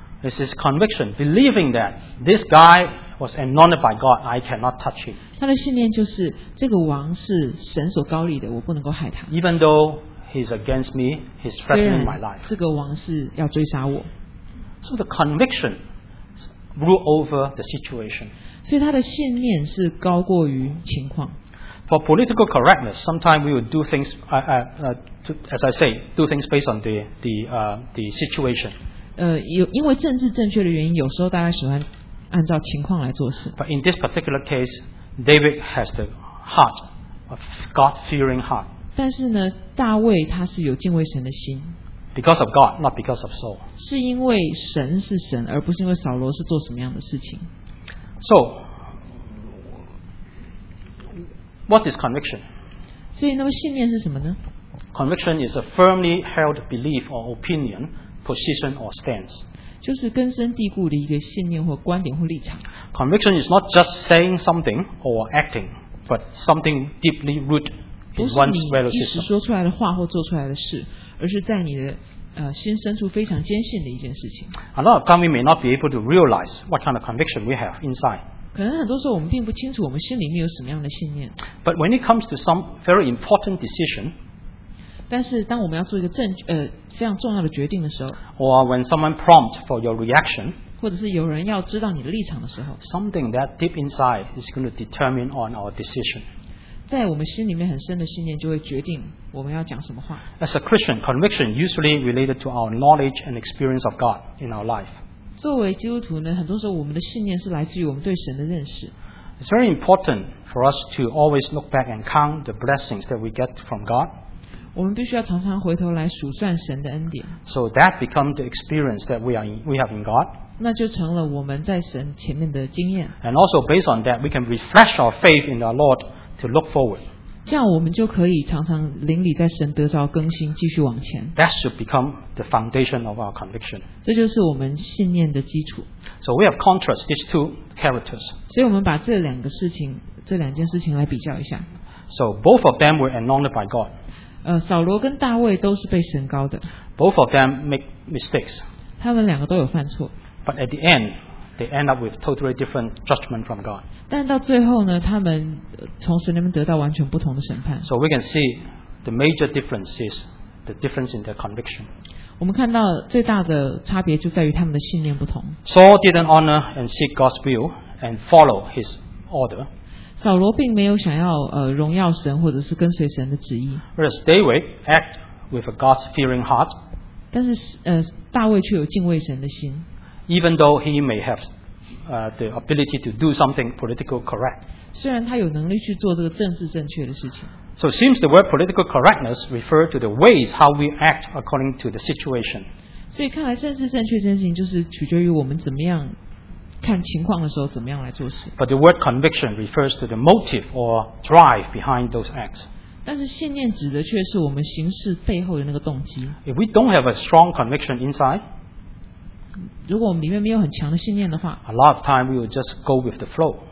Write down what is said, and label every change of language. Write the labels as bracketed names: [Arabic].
[English] It's his conviction, believing that this guy was anointed by God, I cannot touch him. [Chinese] 他的信念就是这个王是神所高立的，我不能够害他。 [English] Even though he's against me, he's threatening my life. [Chinese] 这个王是要追杀我。 [English] So the conviction rule over the situation. [Chinese] 所以他的信念是高过于情况。 [English] For political correctness, sometimes we will do things, do things based on the situation. [Chinese] 因为政治正确的原因，有时候大家喜欢按照情况来做事。 [English] But in this particular case, David has the heart, a God-fearing heart. [Chinese] 但是呢，大卫他是有敬畏神的心。 [English] Because of God, not because of Saul. [Chinese] 是因为神是神，而不是因为扫罗是做什么样的事情。 [English] So, what is conviction? [Chinese] 所以那么信念是什么呢？ [English] Conviction is a firmly held belief or opinion, position or stance. [Chinese] 就是根深蒂固的一个信念或观点或立场。 [English] Conviction is not just saying something or acting, but something deeply rooted in one's value system. [Chinese] 不是你一时说出来的话或做出来的事，而是在你的心深处非常坚信的一件事情。 [English] A lot of times we may not be able to realize what kind of conviction we have inside. [Chinese] 可能很多时候我们并不清楚我们心里面有什么样的信念。 [English] But when it comes to some very important decision. [Chinese] 但是当我们要做一个非常重要的决定的时候 [English] or when someone prompt for your reaction, [Chinese] 或者是有人要知道你的立场的时候 [English] something that deep inside is going to determine on our decision. [Chinese] 在我们心里面很深的信念就会决定我们要讲什么话。 [English] As a Christian, conviction usually related to our knowledge and experience of God in our life. [Chinese] 作为基督徒呢，很多时候我们的信念是来自于我们对神的认识。 [English] It's very important for us to always look back and count the blessings that we get from God. [Chinese] 我们必须要常常回头来数算神的恩典。 [English] So that becomes the experience that we have in God. [Chinese] 那就成了我们在神前面的经验。 [English] And also based on that, we can refresh our faith in our Lord to look forward. [Chinese] 这样我们就可以常常灵里在神得着更新，继续往前。 [English] That should become the foundation of our conviction. [Chinese] 这就是我们信念的基础。 [English] So we have contrast these two characters. [Chinese] 所以我们把这两个事情，这两件事情来比较一下。 [English] So both of them were anointed by God. [Chinese] 扫罗跟大卫都是被神膏的。 [English] Both of them make mistakes. [Chinese] 他们两个都有犯错。 [English] But at the end, they end up with totally different judgment from God. [Chinese] 但到最后呢，他们从神那边得到完全不同的审判。 [English] So we can see the major difference is the difference in their conviction. [Chinese] 我们看到最大的差别就在于他们的信念不同。 [English] Saul didn't honor and seek God's will and follow His order. [Chinese] 扫罗并没有想要荣耀神或者是跟随神的旨意。 [English] Whereas David act with a God fearing heart. [Chinese] 但是大卫却有敬畏神的心。 [English] Even though he may have the ability to do something political correct. [Chinese] 虽然他有能力去做这个政治正确的事情。 [English] So it seems the word political correctness refer to the ways how we act according to the situation. [Chinese] 所以看来政治正确这件事情就是取决于我们怎么样。看情况的时候怎么样来做事。 [English] But the word conviction refers to the motive or drive behind those acts. [Chinese] 但是信念指的却是我们行事背后的那个动机。 [English] If we don't have a strong conviction inside, [Chinese] 如果我们里面没有很强的信念的话， [English] a lot of time we will just go with the flow.